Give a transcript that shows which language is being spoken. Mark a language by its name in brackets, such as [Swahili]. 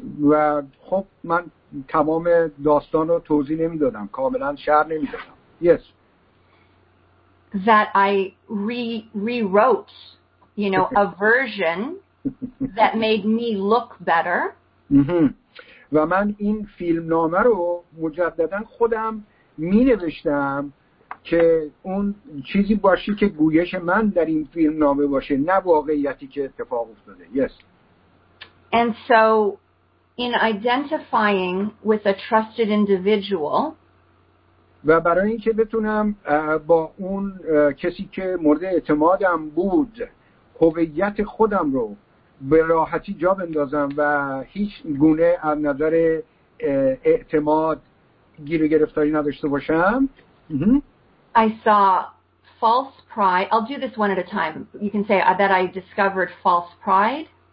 [Persian] و خب من تمام داستان رو توضیح نمیدادم، کاملا شرح نمیدادم. [English] Yes. That I rewrote, you know, a version that made me look better. [Persian] و من این فیلمنامه رو مجددا خودم مینوشتم که اون چیزی باشه که گویش من در این فیلمنامه باشه، نه واقعیتی که اتفاق افتاده. [English] Yes. And so in identifying with a trusted individual, [Persian] و برای اینکه بتونم با اون کسی که مورد اعتمادم بود هویت خودم رو به راحتی جا بندازم و هیچ گونه از نظر اعتماد گیر و گرفتاری نداشته باشم. [English] I saw false pride. I'll do this one at a time. You can say that I discovered false pride.